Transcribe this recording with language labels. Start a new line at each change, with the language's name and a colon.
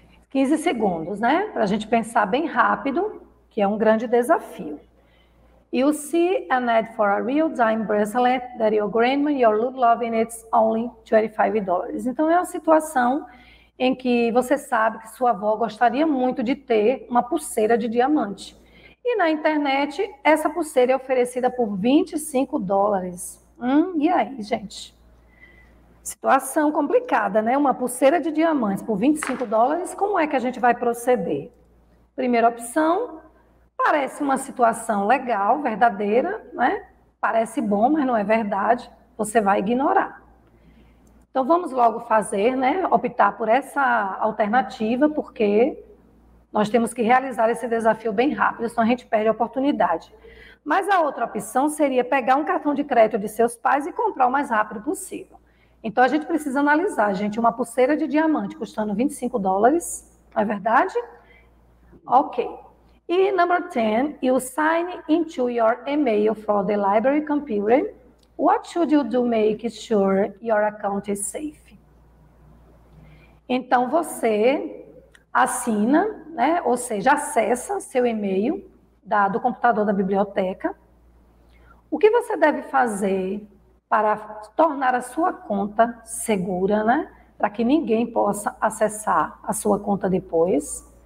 Portuguese: Quinze segundos, né? Para a gente pensar bem rápido, que é um grande desafio.
English: You see an ad for a real diamond bracelet that your grandma, your little love, and it's only $25.
Portuguese: Então, é uma situação em que você sabe que sua avó gostaria muito de ter uma pulseira de diamante. E na internet, essa pulseira é oferecida por $25. E aí, gente? Situação complicada, né? Uma pulseira de diamantes por $25, como é que a gente vai proceder? Primeira opção... Parece uma situação legal, verdadeira, né? Parece bom, mas não é verdade. Você vai ignorar. Então, vamos logo fazer, né? Optar por essa alternativa, porque nós temos que realizar esse desafio bem rápido, senão a gente perde a oportunidade. Mas a outra opção seria pegar um cartão de crédito de seus pais e comprar o mais rápido possível. Então, a gente precisa analisar, gente, uma pulseira de diamante custando $25, não é verdade? Ok.
English: E number 10, you sign into your email for the library computer. What should you do to make sure your account is safe?
Portuguese: Então você assina, né, ou seja, acessa seu e-mail do computador da biblioteca. O que você deve fazer para tornar a sua conta segura, né, para que ninguém possa acessar a sua conta depois?